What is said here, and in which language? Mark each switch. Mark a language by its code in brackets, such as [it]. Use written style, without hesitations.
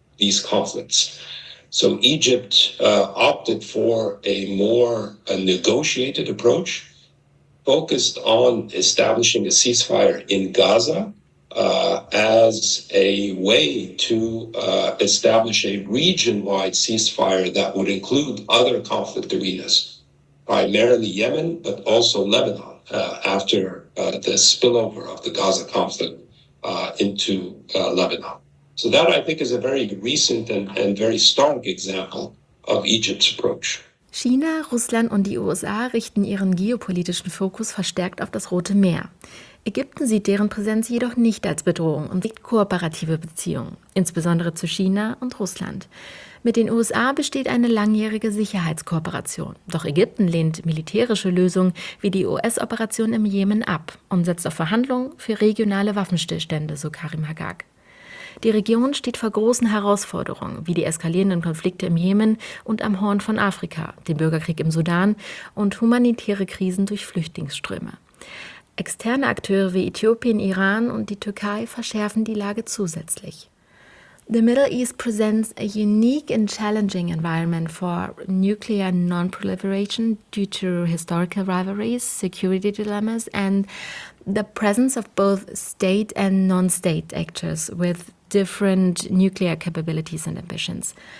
[en] these conflicts. So Egypt opted for a more negotiated approach, focused on establishing a ceasefire in Gaza as a way to establish a region-wide ceasefire that would include other conflict arenas, primarily Yemen, but also Lebanon, after the spillover of the Gaza conflict into Lebanon. So that, I think, is a very recent and very stark example of Egypt's approach. [de] China, Russland und die USA richten ihren geopolitischen Fokus verstärkt auf das Rote Meer. Ägypten sieht deren Präsenz jedoch nicht als Bedrohung und sieht kooperative Beziehungen, insbesondere zu China und Russland. Mit den USA besteht eine langjährige Sicherheitskooperation. Doch Ägypten lehnt militärische Lösungen wie die US-Operation im Jemen ab und setzt auf Verhandlungen für regionale Waffenstillstände, so Karim Haggag. Die Region steht vor großen Herausforderungen, wie die eskalierenden Konflikte im Jemen und am Horn von Afrika, dem Bürgerkrieg im Sudan und humanitäre Krisen durch Flüchtlingsströme. Externe Akteure wie Äthiopien, Iran und die Türkei verschärfen die Lage zusätzlich. [en] The Middle East presents a unique and challenging environment for nuclear non-proliferation due to historical rivalries, security dilemmas, and the presence of both state and non-state actors with different nuclear capabilities and ambitions.